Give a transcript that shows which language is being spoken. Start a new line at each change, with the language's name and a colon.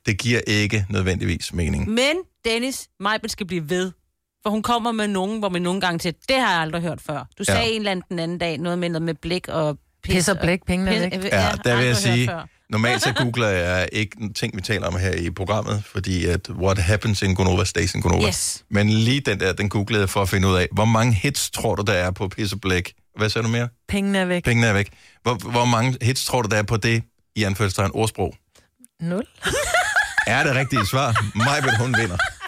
Danish: Det giver ikke nødvendigvis mening. Men Dennis, Majben skal blive ved. For hun kommer med nogen, hvor man nogle gange til, det har jeg aldrig hørt før. Du sagde en eller anden den anden dag, noget med blik og pis. Pis og blik, pengene væk. Ja, der vil jeg sige, normalt så googler jeg ikke ting, vi taler om her i programmet. Fordi at
English: what happens in Gonova stays in Gonova. Yes.
Danish: Men lige den der, den googlede jeg for at finde ud af, hvor mange hits tror du, der er på pis og blik? Hvad sagde du mere? Pengene er væk. Pengene er væk. Hvor mange hits tror du, der er på det, i anførselstegn ordsprog? Nul. Er det rigtige svar? Majbet, hun vinder.